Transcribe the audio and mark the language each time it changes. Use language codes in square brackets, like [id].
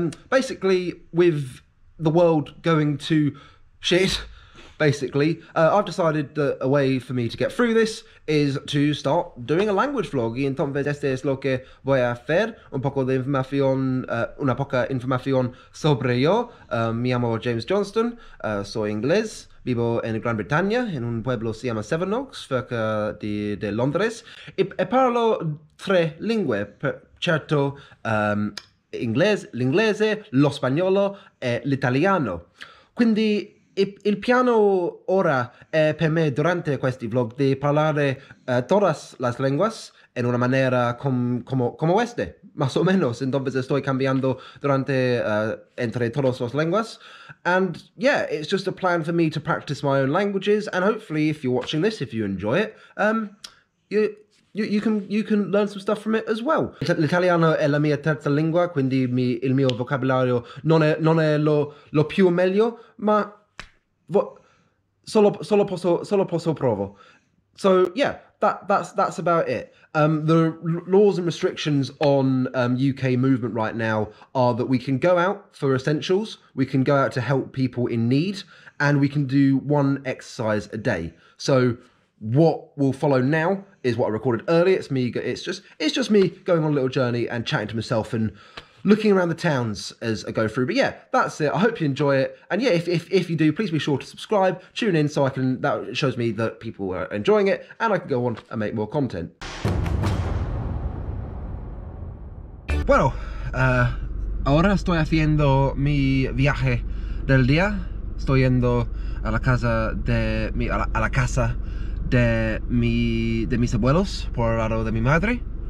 [en] Basically, with the world going to shit, basically, I've decided that a way for me to get through this is to start doing a language vlog. [es] Y entonces este es lo que voy a hacer, un poco de información, una poca información sobre yo. Me llamo James Johnston, soy inglés. Vivo en Gran Bretaña, en un pueblo que se llama Seven Oaks, cerca de Londres. [it] Y parlo tre lingue, certo, inglés, l'inglese, lo spagnolo e l'italiano. Quindi il piano ora è per me durante questi vlog di parlare [es] todas las lenguas [it] in una maniera come queste, [es] más o menos. Entonces estoy cambiando durante entre todas las lenguas. [en] And yeah, it's just a plan for me to practice my own languages. And hopefully, if you're watching this, if you enjoy it, you can learn some stuff from it as well. [it] L'italiano è la mia terza lingua, quindi il mio vocabolario non è lo più meglio, ma solo posso provo. [en] So yeah, that's about it. The laws and restrictions on UK movement right now are that we can go out for essentials, we can go out to help people in need, and we can do one exercise a day. So what will follow now is what I recorded earlier. It's just me going on a little journey and chatting to myself and looking around the towns as I go through. But yeah, that's it. I hope you enjoy it. And yeah, if you do, please be sure to subscribe, tune in, so I can, that shows me that people are enjoying it and I can go on and make more content. [es] Bueno, ahora estoy haciendo mi viaje del día. Estoy yendo a la casa de mi a la casa de mis abuelos por el lado de mi madre.